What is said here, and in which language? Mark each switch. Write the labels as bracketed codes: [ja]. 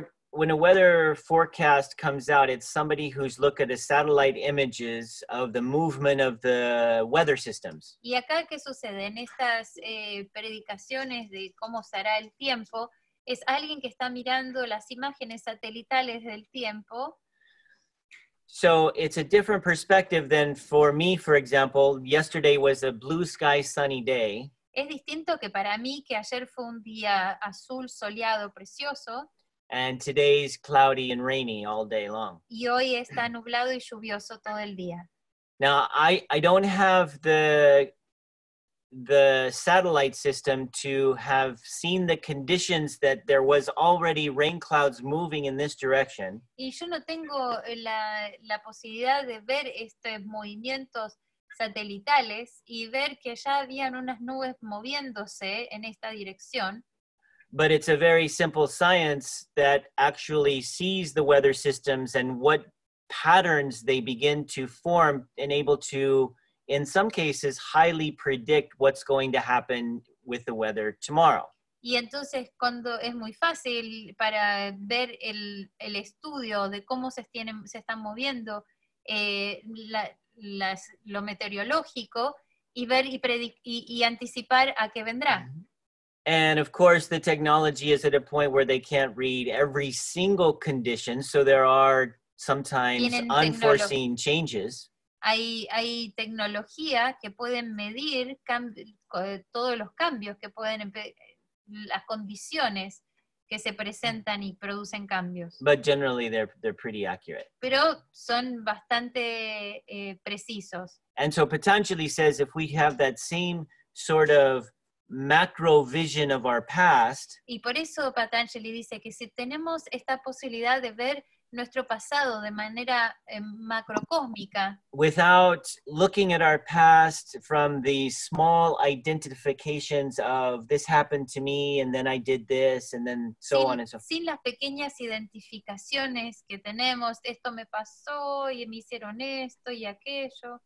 [en] When a weather forecast comes out, it's somebody who's looked at the satellite images of the movement of the weather systems. [es] Y acá qué sucede en estas predicciones de cómo será el tiempo. Es alguien que está mirando las imágenes satelitales del tiempo. [en] So it's a different perspective than for me, for example, yesterday was a blue sky sunny day. [es] Es distinto que para mí, que ayer fue un día azul, soleado, precioso. [en] And today's cloudy and rainy all day long. [es] Y hoy está nublado y lluvioso todo el día. [en] Now, I don't have the satellite system to have seen the conditions that there was already rain clouds moving in this direction. [es] Y yo no tengo la posibilidad de ver estos movimientos satelitales y ver que ya habían unas nubes moviéndose en esta dirección. [en] But it's a very simple science that actually sees the weather systems and what patterns they begin to form and able to, in some cases, highly predict what's going to happen with the weather tomorrow. [es] Y entonces cuando es muy fácil para ver el estudio de cómo se están moviendo lo meteorológico y ver y anticipar a qué vendrá. [en] And of course, the technology is at a point where they can't read every single condition, so there are sometimes unforeseen changes. [es] Hay tecnología que pueden medir todos los cambios que pueden las condiciones que se presentan y producen cambios. [en] But generally they're pretty accurate. [es] Pero son bastante precisos. [en] And so Patanjali says if we have that same sort of macro vision of our past. [es] Y por eso Patanjali dice que si tenemos esta posibilidad de ver nuestro pasado de manera macrocósmica. [en] Without looking at our past from the small identifications of this happened to me and then I did this and then so on and so forth. [es] Sin las pequeñas identificaciones que tenemos, esto me pasó y me hicieron esto y aquello.